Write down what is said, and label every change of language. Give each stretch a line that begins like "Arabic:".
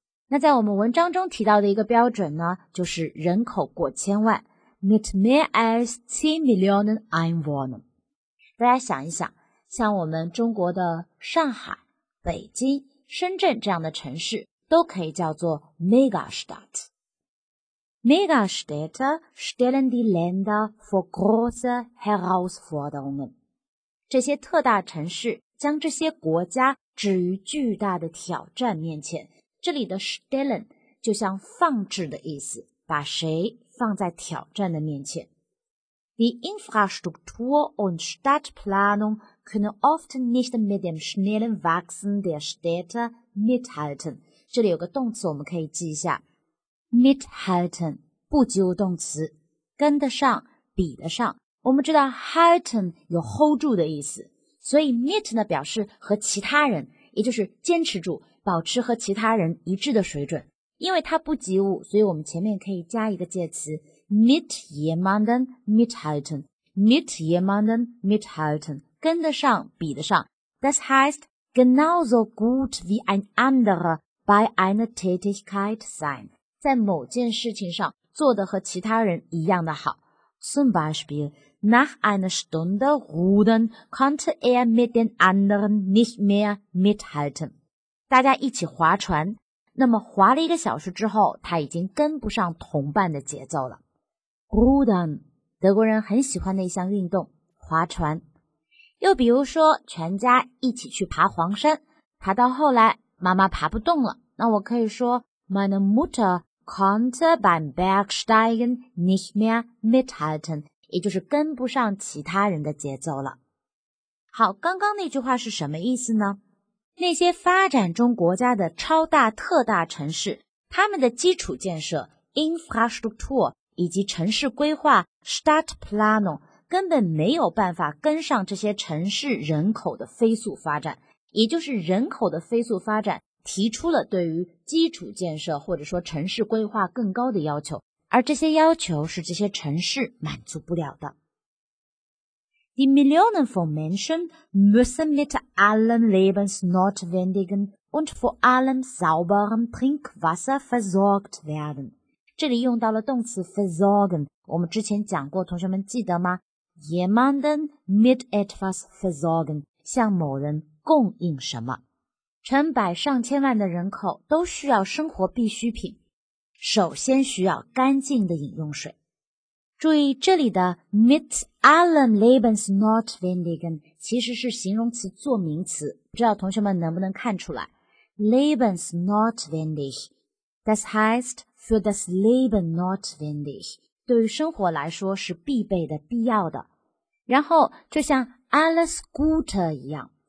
Chinese: 那在我们文章中提到的一个标准呢，就是人口过千万 ,
German: mit mehr als 10 Millionen Einwohner。
Chinese: 大家想一想，像我们中国的上海、北京、深圳这样的城市都可以叫做 Megastadt。
German: Megastädte stellen die Länder vor große Herausforderungen.
Chinese: 这些特大城市将这些国家置于巨大的挑战面前。这里的 stellen 就像放置的意思，把谁放在挑战的面前。
German: Die Infrastruktur und Stadtplanung können oft nicht mit dem schnellen Wachsen der Städte mithalten.
Chinese: 这里有个动词我们可以记一下。Mithalten, 不及物动词，跟得上，比得上。我们知道 halten 有 hold 住的意思，所以 mit 呢表示和其他人，也就是坚持住，保持和其他人一致的水准。因为它不及物，所以我们前面可以加一个介词
German: mit jemanden mithalten, mit jemanden mithalten,
Chinese: 跟得上，比得上。
German: Das heißt, genauso gut wie ein anderer bei einer Tätigkeit sein.
Chinese: 在某件事情上做得和其他人一样的好。
German: Zum Beispiel, nach einer Stunde Ruden konnte mit den anderen nicht mehr mithalten.
Chinese: 大家一起划船，那么划了一个小时之后，他已经跟不上同伴的节奏了。 Ruden, 德国人很喜欢的一项运动，划船。又比如说，全家一起去爬黄山，爬到后来，妈妈爬不动了，那我可以说
German: Meine Mutter konnte beim Bergsteigen nicht mehr mithalten,
Chinese: 也就是跟不上其他人的节奏了。好，刚刚那句话是什么意思呢？那些发展中国家的超大特大城市，他们的基础建设 Infrastruktur 以及城市规划 Stadtplanung 根本没有办法跟上这些城市人口的飞速发展，也就是人口的飞速发展提出了对于基础建设或者说城市规划更高的要求，而这些要求是这些城市满足不了的。
German: Die Millionen von Menschen müssen mit allen lebensnotwendigen und vor allem sauberem Trinkwasser versorgt werden.
Chinese: 这里用到了动词 versorgen, 我们之前讲过，同学们记得吗？
German: Jemanden mit etwas versorgen,
Chinese: 向某人供应什么。成百上千万的人口都需要生活必需品，首先需要干净的饮用水。注意这里的 mit allen lebensnotwendigen 其实是形容词做名词，不知道同学们能不能看出来
German: lebensnotwendig, das heißt für das Leben notwendig,
Chinese: 对于生活来说是必备的、必要的。然后就像 alles Gute 一样，